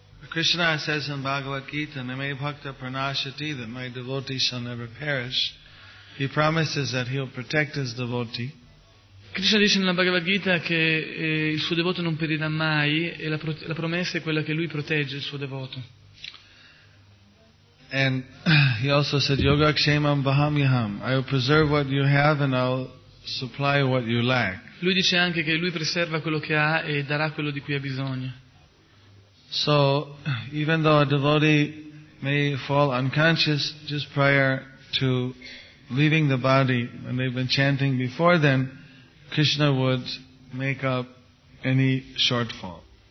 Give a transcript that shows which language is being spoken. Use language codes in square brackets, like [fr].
[en] Krishna says in Bhagavad Gita, [sa] Name Bhakta Pranashati, [en] that my devotee shall never perish. He promises that he'll protect his devotee. [it] Krishna dice nella Bhagavad Gita che il suo devoto non perirà mai e la promessa è quella che lui protegge il suo devoto. [en] And he also said, [sa] Yoga Kshemam Bahamyaham, [en] I will preserve what you have and I'll supply what you lack. [it] Lui dice anche che lui preserva quello che ha e darà quello di cui ha bisogno. [en] So, even though a devotee may fall unconscious just prior to leaving the body and they've been chanting before then, Krishna would make up any shortfall.